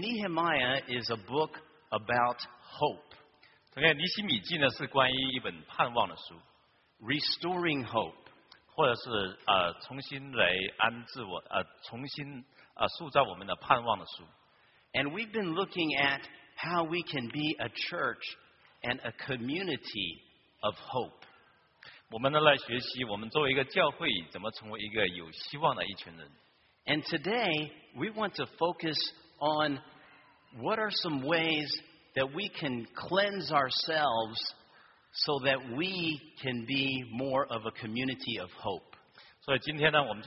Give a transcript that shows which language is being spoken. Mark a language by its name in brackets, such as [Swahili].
[English] Nehemiah is a book about hope. [Chinese] 同样，尼希米记呢是关于一本盼望的书。 [English] Restoring hope. [Chinese] 或者是重新来安置我，重新塑造我们的盼望的书。 [English] And we've been looking at how we can be a church and a community of hope. [Chinese] 我们呢来学习，我们作为一个教会，怎么成为一个有希望的一群人。 [English] And today, we want to focus on what are some ways that we can cleanse ourselves so that we can be more of a community of hope.